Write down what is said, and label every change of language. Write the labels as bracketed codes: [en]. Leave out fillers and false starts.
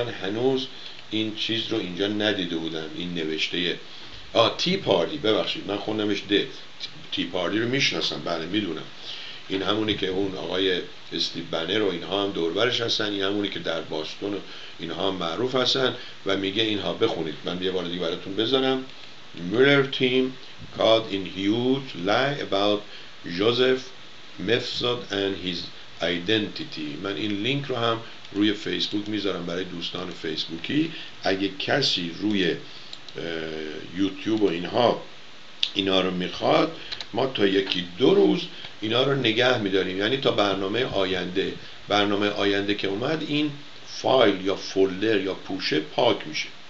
[fa] من هنوز این چیز رو اینجا ندیده بودم، این نوشته تی پارتی، ببخشید من خوندمش ده. تی پارتی رو میشناسم، بله میدونم، این همونی که اون آقای استیو بنر و اینها هم دوربرش هستن، این همونی که در باستون اینها هم معروف هستن. و میگه اینها، بخونید من یه بار دیگه براتون بذارم. [en] Mueller team caught in huge lie about Joseph Mifsud and his identity. [fa] من این لینک رو هم روی فیسبوک میذارم برای دوستان فیسبوکی، اگه کسی روی یوتیوب و اینها اینا رو میخواد، ما تا یکی دو روز اینا رو نگه میداریم، یعنی تا برنامه آینده. برنامه آینده که اومد، این فایل یا فولدر یا پوشه پاک میشه.